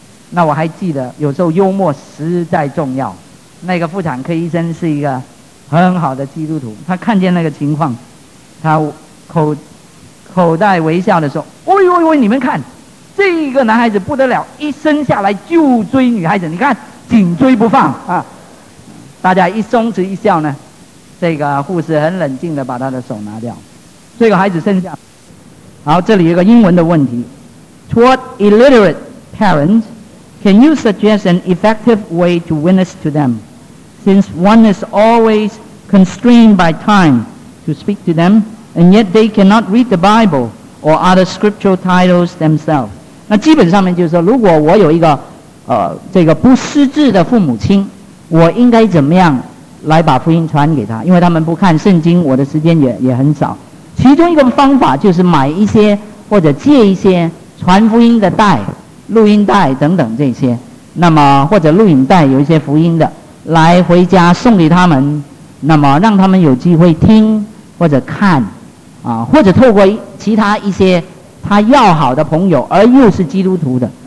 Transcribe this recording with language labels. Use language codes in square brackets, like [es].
[zh] 那我还记得有时候幽默实在重要，那个妇产科医生是一个很好的基督徒，他看见那个情况，他口袋微笑的说，喂喂喂，你们看这个男孩子不得了，一生下来就追女孩子，你看紧追不放大家一松弛一笑呢，这个护士很冷静地把他的手拿掉，这个孩子生下。好，这里有一个英文的问题， [en] To what illiterate parents can you suggest an effective way to witness to them since one is always constrained by time to speak to them and yet they cannot read the Bible or other scriptural titles themselves？ [zh] 那基本上面就是说，如果我有一个这个不识字的父母亲，我应该怎么样来把福音传给他，因为他们不看圣经，我的时间也很少。其中一个方法就是买一些或者借一些传福音的带、录音带等等这些，那么或者录影带有一些福音的，来回家送给他们，那么让他们有机会听或者看，啊，或者透过其他一些他要好的朋友而又是基督徒的。